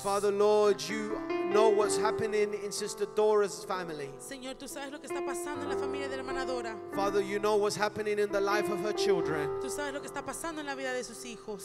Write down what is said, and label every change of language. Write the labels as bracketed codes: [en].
[en] Father, Lord, you know what's happening in Sister Dora's family. [es] Señor, tú sabes lo que está pasando en la familia de la hermana Dora. [en] Father, you know what's happening in the life of her children. [es] Tú sabes lo que está pasando en la vida de sus hijos.